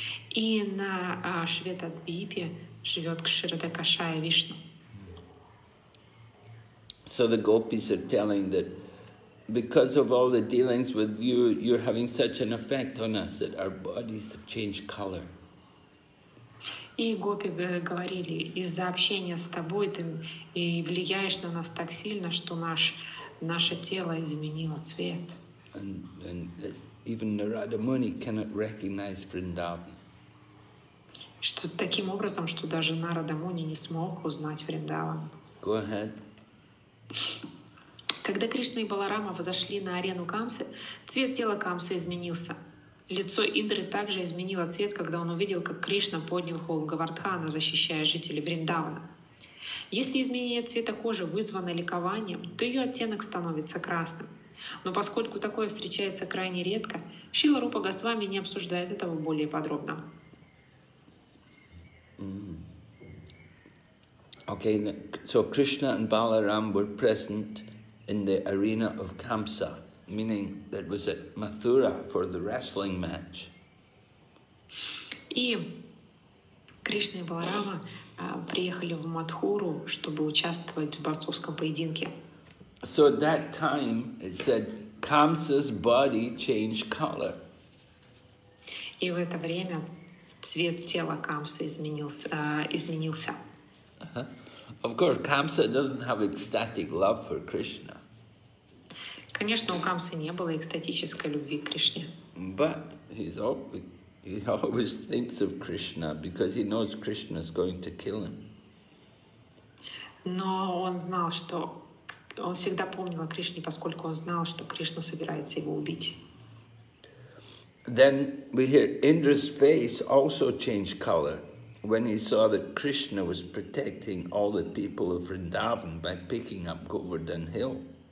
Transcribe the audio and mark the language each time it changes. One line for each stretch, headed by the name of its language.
Russian: И на Шветадвипе живет Кширадакашая Вишна.
English: So the gopis are telling that because of all the dealings with you, you're having such an effect on us that our bodies have changed color.
Russian: И гопи говорили, из-за общения с тобой ты и влияешь на нас так сильно, что наше тело изменило цвет.
English: And even Narada Muni cannot recognize Vrindavan.
Russian: Что таким образом, что даже Нарада Муни не смог узнать Вриндаван.
English: Go ahead.
Russian: Когда Кришна и Баларама взошли на арену Камсы, цвет тела Камсы изменился. Лицо Индры также изменило цвет, когда он увидел, как Кришна поднял холм Говардхана, защищая жителей Вриндавана. Если изменение цвета кожи вызвано ликованием, то ее оттенок становится красным. Но поскольку такое встречается крайне редко, Шрила Рупа Госвами не обсуждает этого более подробно.
English: Okay, so Krishna and Balaram were present in the arena of Kamsa, meaning that was at Mathura for the wrestling match.
Russian: И Кришна и Баларама приехали в Матхуру, чтобы участвовать в борцовском поединке.
English: So at that time it said Kamsa's body changed color.
Russian: И в это время цвет тела Камсы изменился.
English: Of course, Kamsa doesn't have ecstatic love for Krishna.
Russian: Конечно, у Камсы не было экстатической любви к Кришне.
English: But he always thinks of Krishna because he knows Krishna is going to kill him.
Russian: Но он знал, что он всегда помнил о Кришне, поскольку он знал, что Кришна собирается его убить.
English: Then we hear Indra's face also changed color. when he saw that Krishna was protecting all the people of Vrindavan by picking up Govardhan Hill.